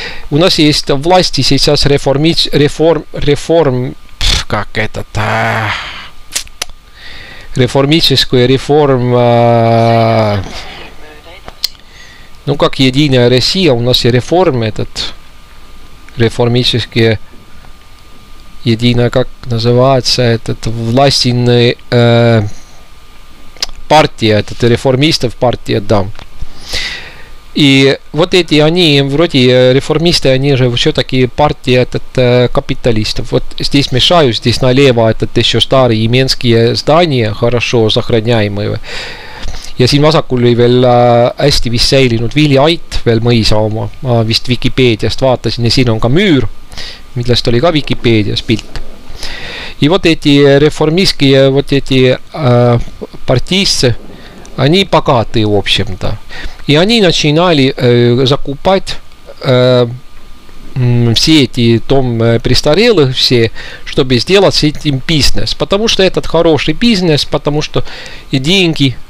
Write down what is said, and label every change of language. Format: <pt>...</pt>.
<ru>У нас есть власти сейчас как единая Россия, у нас и партия, это реформистов партия, да. И вот эти они, вроде реформисты, они же все-таки партия этот капиталистов. Вот здесь мешаю, здесь налево этот еще старые именские здания, хорошо сохраняемые.</ru> <et>Ja siin vasakul oli veel hästi vist säilinud Vili Ait veel mõisa oma. Ma vist Wikipeediast vaatasin ja siin on ka müür, millest oli ka Wikipeedias pilt.</et> <ru>И вот эти реформистские, вот эти партийцы, они богатые, в общем-то. И они начинали закупать все эти дом престарелых, все, чтобы сделать с этим бизнес. Потому что этот хороший бизнес, потому что деньги</ru>